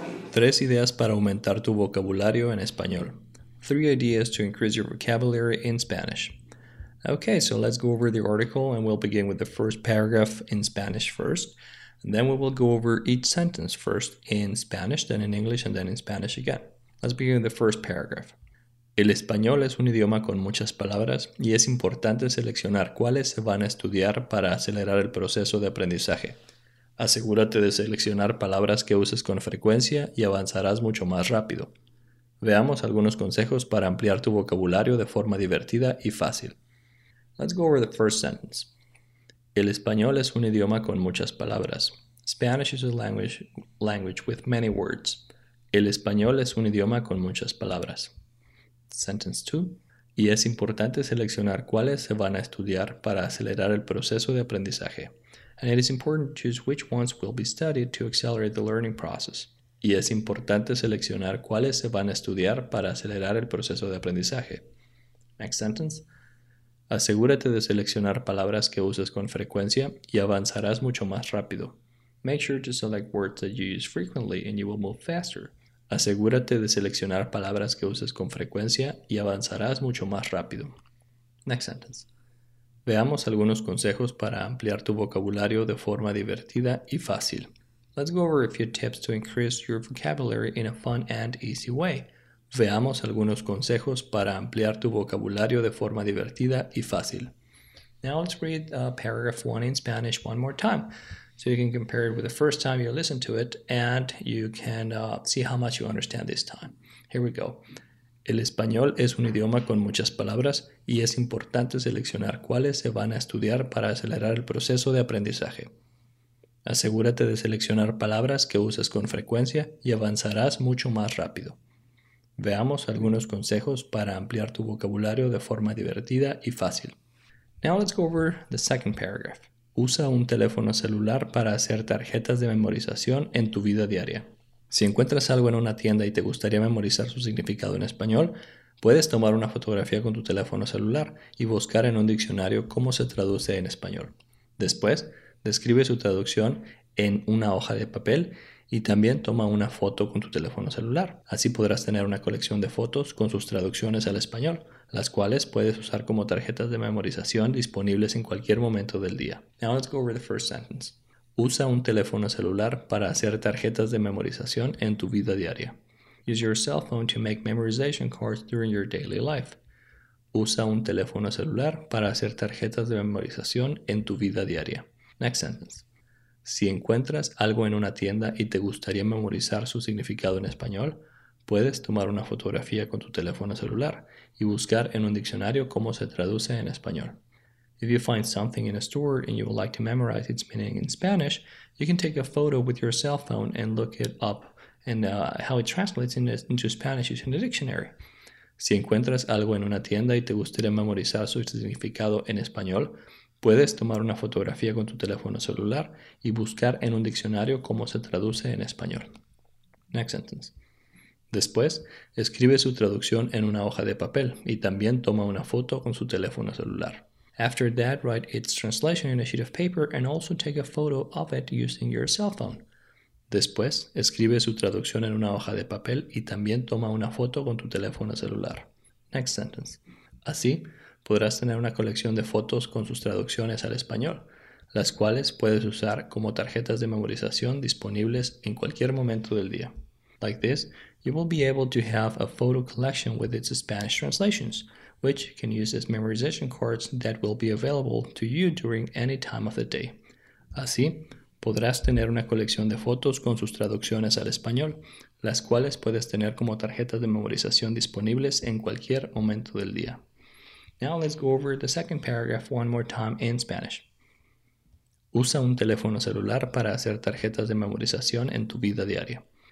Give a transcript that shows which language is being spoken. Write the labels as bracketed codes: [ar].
[es] Tres ideas para aumentar tu vocabulario en español. [en] 3 ideas to increase your vocabulary in Spanish. Okay, so let's go over the article and we'll begin with the first paragraph in Spanish first. And then we will go over each sentence first in Spanish, then in English, and then in Spanish again. Let's begin with the first paragraph. [es] El español es un idioma con muchas palabras y es importante seleccionar cuáles se van a estudiar para acelerar el proceso de aprendizaje. Asegúrate de seleccionar palabras que uses con frecuencia y avanzarás mucho más rápido. Veamos algunos consejos para ampliar tu vocabulario de forma divertida y fácil. [en] Let's go over the first sentence. [es] El español es un idioma con muchas palabras. [en] Spanish is a language with many words. [es] El español es un idioma con muchas palabras. [en] Sentence 2. [es] Y es importante seleccionar cuáles se van a estudiar para acelerar el proceso de aprendizaje. [en] And it is important to choose which ones will be studied to accelerate the learning process. [es] Y es importante seleccionar cuáles se van a estudiar para acelerar el proceso de aprendizaje. [en] Next sentence. [es] Asegúrate de seleccionar palabras que uses con frecuencia y avanzarás mucho más rápido. [en] Make sure to select words that you use frequently and you will move faster. [es] Asegúrate de seleccionar palabras que uses con frecuencia y avanzarás mucho más rápido. [en] Next sentence. [es] Veamos algunos consejos para ampliar tu vocabulario de forma divertida y fácil. [en] Let's go over a few tips to increase your vocabulary in a fun and easy way. [es] Veamos algunos consejos para ampliar tu vocabulario de forma divertida y fácil. [en] Now let's read paragraph 1 in Spanish one more time, so you can compare it with the first time you listen to it, and you can see how much you understand this time. Here we go. [es] El español es un idioma con muchas palabras, y es importante seleccionar cuáles se van a estudiar para acelerar el proceso de aprendizaje. Asegúrate de seleccionar palabras que uses con frecuencia y avanzarás mucho más rápido. Veamos algunos consejos para ampliar tu vocabulario de forma divertida y fácil. [en] Now let's go over the second paragraph. [es] Usa un teléfono celular para hacer tarjetas de memorización en tu vida diaria. Si encuentras algo en una tienda y te gustaría memorizar su significado en español, puedes tomar una fotografía con tu teléfono celular y buscar en un diccionario cómo se traduce en español. Después, describe su traducción en una hoja de papel y también toma una foto con tu teléfono celular. Así podrás tener una colección de fotos con sus traducciones al español, las cuales puedes usar como tarjetas de memorización disponibles en cualquier momento del día. [en] Now let's go over the first sentence. [es] Usa un teléfono celular para hacer tarjetas de memorización en tu vida diaria. [en] Use your cell phone to make memorization cards during your daily life. [es] Usa un teléfono celular para hacer tarjetas de memorización en tu vida diaria. [en] Next sentence. [es] Si encuentras algo en una tienda y te gustaría memorizar su significado en español, puedes tomar una fotografía con tu teléfono celular y buscar en un diccionario cómo se traduce en español. [en] If you find something in a store and you would like to memorize its meaning in Spanish, you can take a photo with your cell phone and look it up and how it translates into Spanish using a dictionary. [es] Si encuentras algo en una tienda y te gustaría memorizar su significado en español, Puedes tomar una fotografía con tu teléfono celular y buscar en un diccionario cómo se traduce en español. [en] Next sentence. [es] Después, escribe su traducción en una hoja de papel y también toma una foto con su teléfono celular. [en] After that, write its translation in a sheet of paper and also take a photo of it using your cell phone. [es] Después, escribe su traducción en una hoja de papel y también toma una foto con tu teléfono celular. [en] Next sentence. [es] Así, podrás tener una colección de fotos con sus traducciones al español, las cuales puedes usar como tarjetas de memorización disponibles en cualquier momento del día. [en] Like this, you will be able to have a photo collection with its Spanish translations, which can use as memorization cards that will be available to you during any time of the day. [es] Así, podrás tener una colección de fotos con sus traducciones al español, las cuales puedes tener como tarjetas de memorización disponibles en cualquier momento del día. [en] Now let's go over the second paragraph one more time in Spanish. [es] Usa un teléfono celular para hacer tarjetas de memorización en tu vida diaria.